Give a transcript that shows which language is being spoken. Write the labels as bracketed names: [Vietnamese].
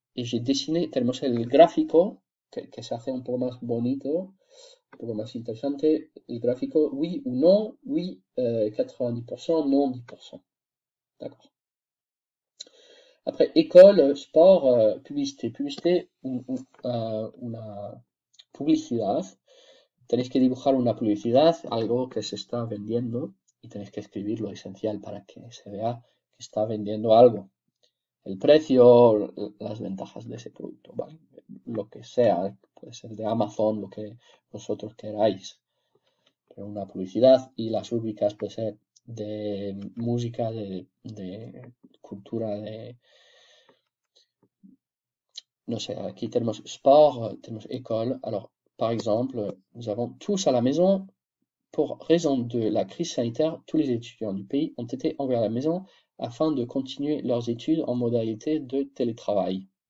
[Spanish] Y [French] j'ai dessiné, [Spanish] tenemos el gráfico. Que se hace un poco más bonito, un poco más interesante, el gráfico, [French] oui ou non, oui, 90%, non, 10%. D'accord. Après, école, sport, publicité. [Spanish] Publicité, una publicidad. Tenéis que dibujar una publicidad, algo que se está vendiendo, y tenéis que escribir lo esencial para que se vea que está vendiendo algo. El precio, las ventajas de ese producto, ¿vale? Lo que sea, puede ser de Amazon, lo que vosotros queráis. Pero una publicidad y las rúbricas puede ser de música, de cultura, de. No sé, aquí tenemos sport, tenemos école. [French] Alors, par exemple, nous avons tous à la maison, pour raison de la crise sanitaire, tous les étudiants du pays ont été envoyés à la maison afin de continuer leurs études en modalité de télétravail.